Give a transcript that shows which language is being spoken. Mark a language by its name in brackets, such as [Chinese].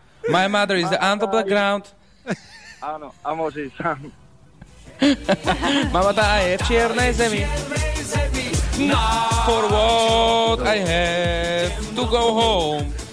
[English] My mother is on the background. [Slovak] Áno, a môžeš sám. Mama tá je v čiernej zemi. [English] No, for what I have to go home.